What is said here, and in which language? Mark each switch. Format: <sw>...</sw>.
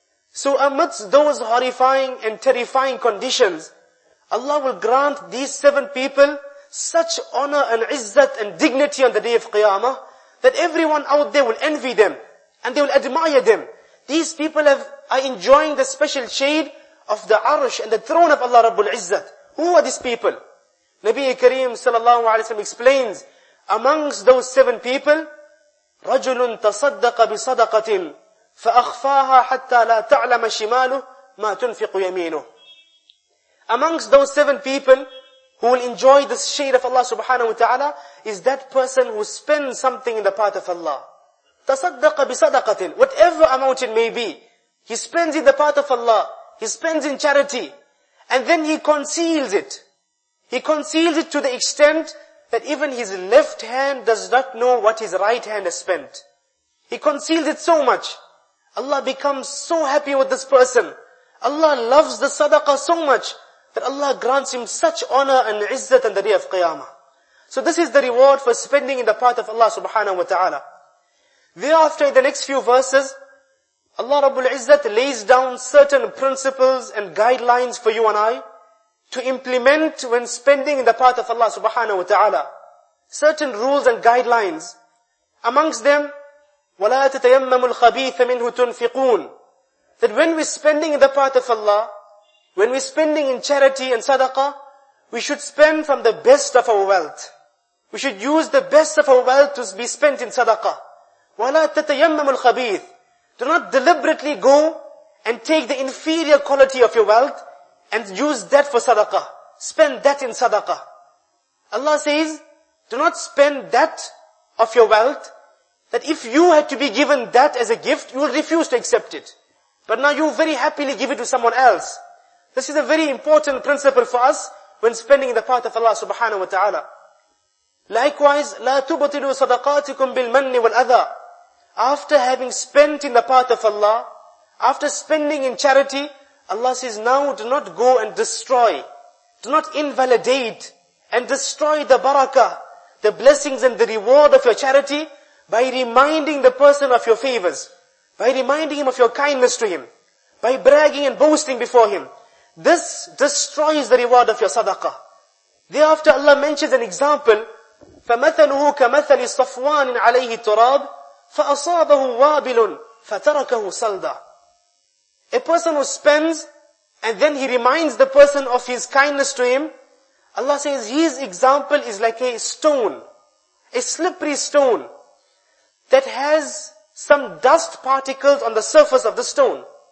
<en>So amidst those horrifying and terrifying conditions, Allah will grant these 7 people such honor and izzat and dignity on the day of Qiyamah, that everyone out there will envy them and they will admire them. These people are enjoying the special shade of the arsh and the throne of Allah Rabbul Izzat. Who are these people? Nabi Kareem sallallahu alayhi wa sallam explains, amongst those 7 people,</en> <ar>رَجُلٌ تَصَدَّقَ بِصَدَقَةٍ فَأَخْفَاهَا حَتَّى لَا تَعْلَمَ شِمَالُهُ مَا تُنْفِقُ يَمِينُهُ.</ar> <en>Amongst those 7 people who will enjoy the shade of Allah subhanahu wa ta'ala is that person who spends something in the path of Allah.</en> <ar>تَصَدَّقَ بِصَدَقَةٍ.</ar> <en>Whatever amount it may be, he spends in the path of Allah. He spends in charity. And then he conceals it. He conceals it to the extent that even his left hand does not know what his right hand has spent. He conceals it so much. Allah becomes so happy with this person. Allah loves the sadaqah so much that Allah grants him such honor and izzat on the day of Qiyamah. So this is the reward for spending in the path of Allah subhanahu wa ta'ala. Thereafter, in the next few verses, Allah Rabbul Izzat lays down certain principles and guidelines for you and I to implement when spending in the path of Allah subhanahu wa ta'ala. Certain rules and guidelines. Amongst them,</en> <ar>وَلَا تَتَيَمَّمُ الْخَبِيثَ مِنْهُ تُنْفِقُونَ.</ar> <en>That when we're spending in the path of Allah, when we're spending in charity and sadaqah, we should spend from the best of our wealth. We should use the best of our wealth to be spent in sadaqah.</en> <ar>وَلَا تَتَيَمَّمُ الْخَبِيثَ.</ar> <en>Do not deliberately go and take the inferior quality of your wealth and use that for sadaqah. Spend that in sadaqah. Allah says, do not spend that of your wealth, that if you had to be given that as a gift, you would refuse to accept it. But now you very happily give it to someone else. This is a very important principle for us when spending in the path of Allah subhanahu wa ta'ala.</en> <ar>Likewise, لا تبطلوا صدقاتكم بالمن والأذى.</ar> <en>After having spent in the path of Allah, after spending in charity, Allah says, now do not go and destroy, do not invalidate and destroy the barakah, the blessings and the reward of your charity by reminding the person of your favors, by reminding him of your kindness to him, by bragging and boasting before him. This destroys the reward of your sadaqah. Thereafter Allah mentions an example,</en> <ar>فَمَثَلُهُ كَمَثَلِ صَفْوَانٍ عَلَيْهِ تُرَابٍ فَأَصَابَهُ وَابِلٌ فَتَرَكَهُ صَلْدًا.</ar> <en>A person who spends and then he reminds the person of his kindness to him, Allah says his example is like a stone, a slippery stone that has some dust particles on the surface of the stone.</en>